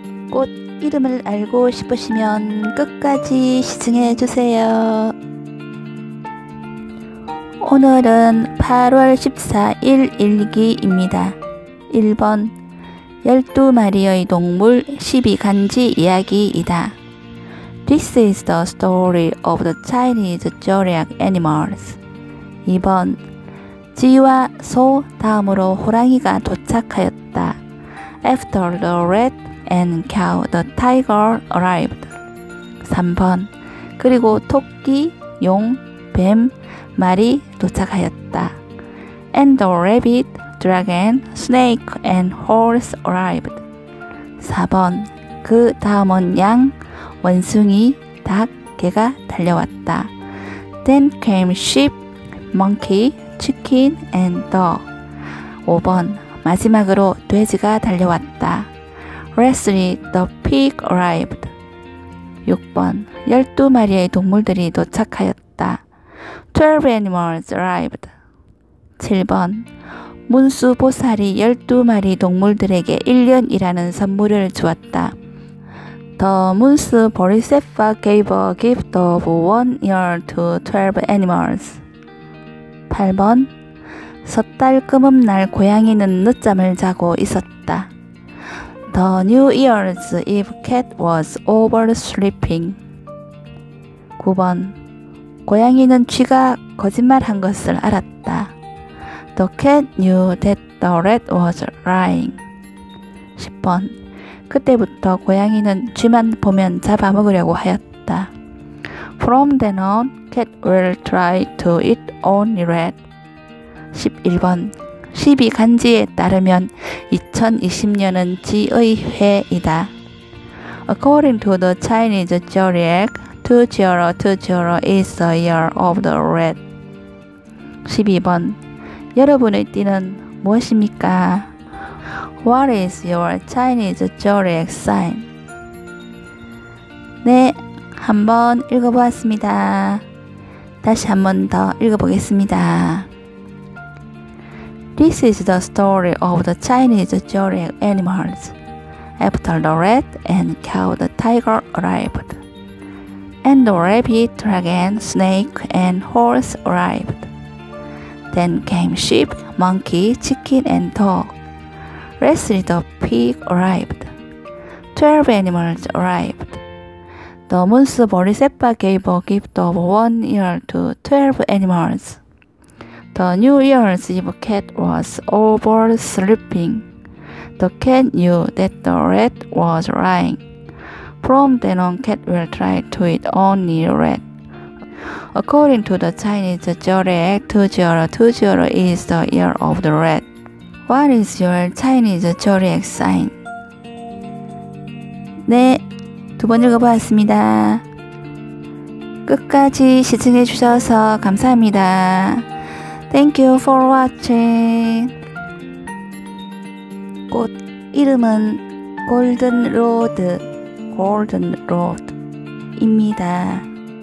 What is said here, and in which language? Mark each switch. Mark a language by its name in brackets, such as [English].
[Korean] 꽃 이름을 알고 싶으시면 끝까지 시청해 주세요. 오늘은 8월 14일 일기입니다. 1번 12마리의 동물 12간지 이야기이다. [English] This is the story of the Chinese zodiac animals. [Korean] 2번 쥐와 소 다음으로 호랑이가 도착하였다. [English] After the rat and cow, the tiger arrived. [Korean] 3번 그리고 토끼, 용, 뱀, 말이 도착하였다. [English] And the rabbit, dragon, snake, and horse arrived. [Korean] 4번 그 다음은 양, 원숭이, 닭, 개가 달려왔다. [English] Then came sheep, monkey, chicken, and dog. [Korean] 5번 마지막으로 돼지가 달려왔다. [English] Lastly, the pig arrived. [Korean] 6번 12마리의 동물들이 도착하였다. [English] 12 animals arrived. [Korean] 7번 문수보살이 12마리 동물들에게 1년이라는 선물을 주었다. [English] The Munsubodhisattva gave a gift of 1 year to 12 animals. [Korean] 8번 섣달 끄음날 고양이는 늦잠을 자고 있었다. [English] The New Year's Eve cat was oversleeping. [Korean] 9번 고양이는 쥐가 거짓말한 것을 알았다. [English] The cat knew that the rat was lying. [Korean] 10번 그때부터 고양이는 쥐만 보면 잡아먹으려고 하였다. [English] From then on, cat will try to eat only rat. [Korean] 11번 12간지에 따르면 2020년은 쥐의 해이다. [English] According to the Chinese zodiac, 2020 is the year of the rat. [Korean] 12번 여러분의 띠는 무엇입니까? [English] What is your Chinese zodiac sign? [Korean] 네, 한번 읽어보았습니다. 다시 한번 더 읽어보겠습니다. [English] This is the story of the Chinese zodiac animals. After the rat and cow, the tiger arrived. And the rabbit, dragon, snake, and horse arrived. Then came sheep, monkey, chicken, and dog. Lastly, the pig arrived. 12 animals arrived. The Munsubodhisattva gave a gift of 1 year to 12 animals. The New Year's Eve cat was oversleeping. The cat knew that the rat was lying. From then on, cat will try to eat only rat. According to the Chinese zodiac, 2020 is the year of the rat. What is your Chinese zodiac sign? [Korean] 네, 두 번 읽어보았습니다. 끝까지 시청해 주셔서 감사합니다. [English] Thank you for watching. [Korean] 꽃 이름은 골든 로드, 골든 로드입니다.